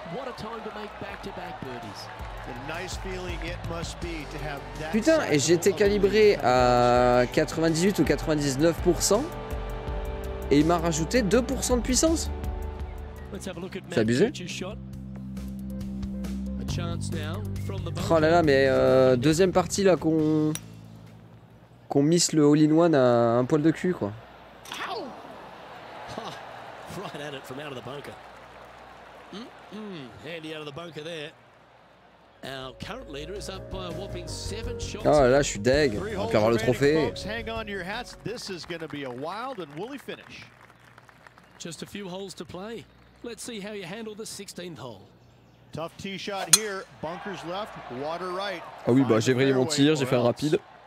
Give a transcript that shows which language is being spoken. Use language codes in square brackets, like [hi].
[en] What a time to make back-to-back birdies. The nice feeling it must be to have that. [fr] Putain, et j'étais calibré à 98 ou 99% et il m'a rajouté 2% de puissance. [en] Let's have a look at [fr] c'est abusé. [en] A chance now from the [fr] oh là là, mais deuxième partie là qu'on miss le all-in-one à un poil de cul quoi. [en] Oh, right at it from out of the bunker. Handy out of the bunker there. Our current leader is up by a whopping 7 shots. [fr] Oh là là, je suis deg. On peut avoir le trophée. [en] Folks, hang on to your hats. This is going to be a wild and woolly finish. Just a few holes to play. Let's see how you handle the 16th hole. Tough tee shot here. Bunkers left, water right. [fr] Ah oui, bah j'ai vrillé mon tir, j'ai fait un rapide.